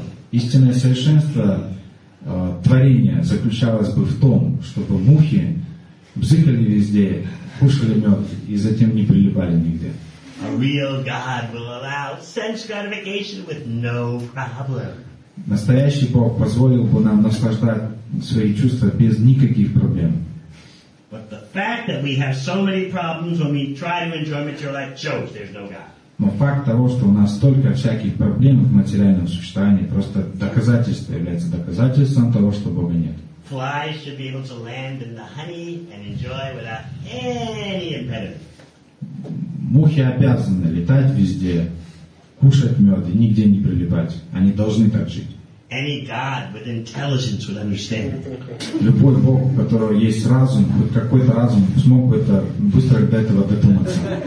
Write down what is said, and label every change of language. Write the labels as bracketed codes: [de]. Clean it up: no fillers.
[ru] Истинное совершенство творения заключалось бы в том, чтобы мухи бзыкали везде, кушали мед и затем не прилипали нигде. [en] A real God will allow sense gratification with no problem. [ru] Настоящий Бог позволил бы нам наслаждать свои чувства без никаких проблем. [en] But the fact that we have so many problems when we try to enjoy material life shows there's no God. [ru] Но факт того, что у нас столько всяких проблем в материальном существовании, просто доказательство является доказательством того, что Бога нет. [en] Flies should be able to land in the honey and enjoy without any impediment. [ru] Мухи обязаны летать везде, кушать мед и нигде не прилипать. Они должны так жить. [en] Any God with intelligence would understand. [ru] Любой Бог, у которого есть разум, хоть какой-то разум, смог бы это быстро до этого додуматься.